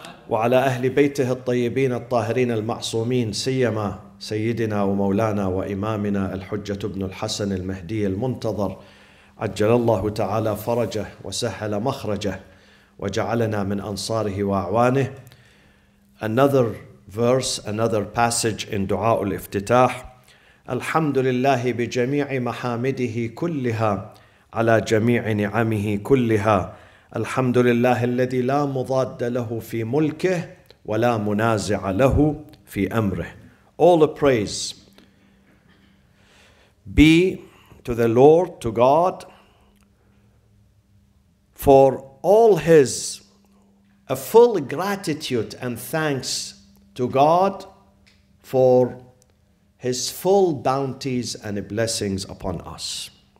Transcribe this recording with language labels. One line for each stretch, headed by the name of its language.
Arabic: وعلى أهل بيته الطيبين الطاهرين المعصومين سيما سيدنا ومولانا وإمامنا الحجة ابن الحسن المهدي المنتظر عجل الله تعالى فرجه وسهل مخرجه وجعلنا من أنصاره وأعوانه.
English: Another verse, another passage in دعاء الافتتاح.
Arabic: الحمد لله بجميع محامده كلها على جميع نعمه كلها. الحمد لله الذي لا مضاد له في ملكه ولا منازع له في أمره.
English: All the praise be to the Lord, to God, for all his, a full gratitude and thanks to God for his full bounties and blessings upon us.